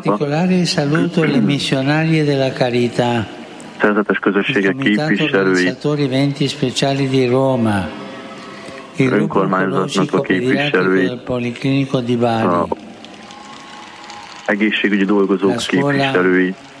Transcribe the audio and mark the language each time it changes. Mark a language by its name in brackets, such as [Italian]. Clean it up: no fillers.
[Italian] Particolare saluto alle missionarie della carità. [Hungarian] Szerzetes közössége képviselői. [Italian] Eventi speciali di Roma. Il gruppo conosciuto del policlinico di Bari. [Hungarian] Egészségügyi dolgozók képviselői.